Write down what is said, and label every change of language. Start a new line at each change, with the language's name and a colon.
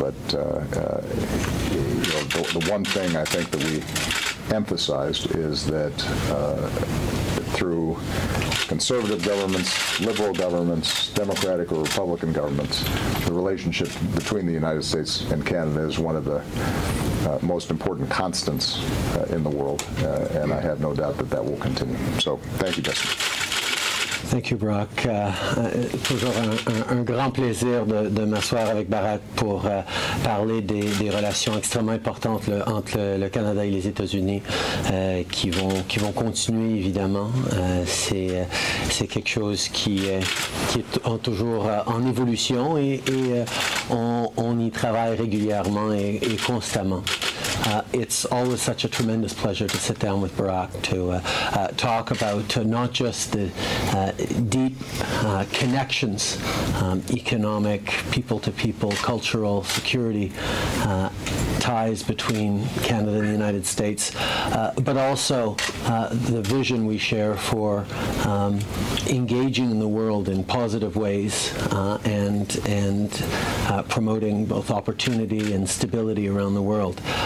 English: But the one thing I think that we emphasized is that through conservative governments, liberal governments, Democratic or Republican governments, the relationship between the United States and Canada is one of the most important constants in the world, and I have no doubt that that will continue. So thank you, Justin. Thank you, Barack.
French: Toujours un grand plaisir de m'asseoir avec Barack pour parler des relations extrêmement importantes entre le Canada et les États-Unis qui vont continuer, évidemment. C'est quelque chose qui est toujours en évolution et on y travaille régulièrement et constamment.
English: It's always such a tremendous pleasure to sit down with Barack to talk about not just the deep connections, economic, people-to-people, cultural, security ties between Canada and the United States, but also the vision we share for engaging the world in positive ways and promoting both opportunity and stability around the world.